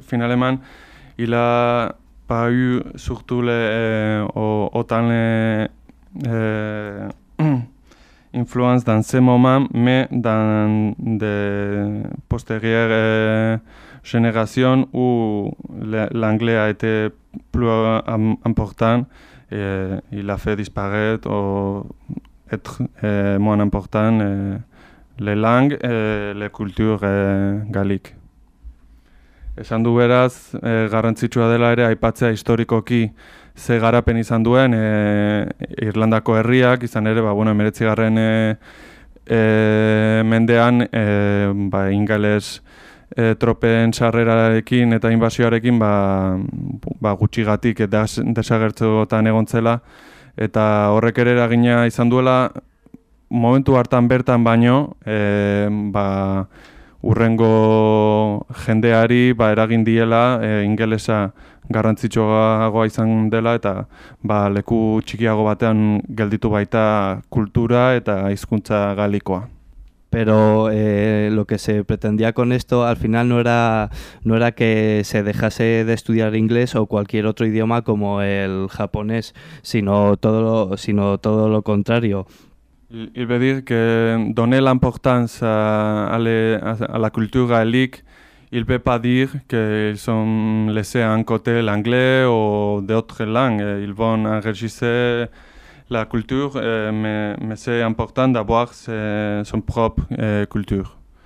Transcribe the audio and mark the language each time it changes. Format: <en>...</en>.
<fr>Finalement, il n'a pas eu surtout autant d'influence dans ce moment, mais dans des postérieures générations où l'anglais a été plus important, et il a fait disparaître ou être moins important les langues et les cultures galliques.</fr> <eu>Esan du beraz, garrantzitsua dela ere aipatzea historikoki ze garapen izan duen Irlandako herriak, izan ere, ba, bueno, 19. Mendean, ba, ingeles tropen sarrerarekin eta inbasioarekin, ba, gutxigatik desagertzotan egon zela, eta horrek ere eragina izan duela, momentu hartan bertan baino, ba, urrengo jendeari ba eragin diela ingelesa garrantzitsuagoa izan dela eta ba leku txikiago batean gelditu baita kultura eta hizkuntza galikoa.</eu> <es>Pero lo que se pretendía con esto al final no era que se dejase de estudiar inglés o cualquier otro idioma como el japonés, sino todo lo contrario.</es> <fr>Il veut dire que donner l'importance à la culture gaélique, il ne peut pas dire qu'ils ont laissé à un côté l'anglais ou d'autres langues. Ils vont enrichir la culture, mais c'est important d'avoir son propre culture.</fr>